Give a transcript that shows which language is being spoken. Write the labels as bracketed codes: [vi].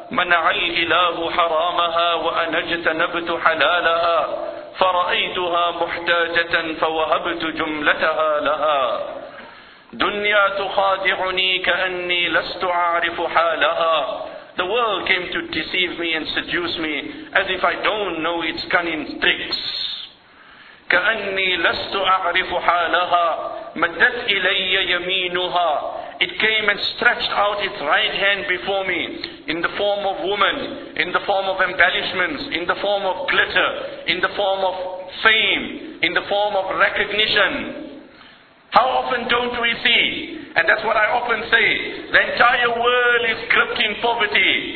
[ar] منع الإله حرامها وأنا اجتنبت حلالها فرأيتها محتاجة فوهبت جملتها لها. دنيا تخادعني كأني لست أعرف حالها. [en] The world came to deceive me and seduce me as if I don't know its cunning tricks. [ar] كأني لست أعرف حالها مدت إلي يمينها. [en] It came and stretched out its right hand before me in the form of woman, in the form of embellishments, in the form of glitter, in the form of fame, in the form of recognition. How often don't we see, and that's what I often say, the entire world is gripped in poverty.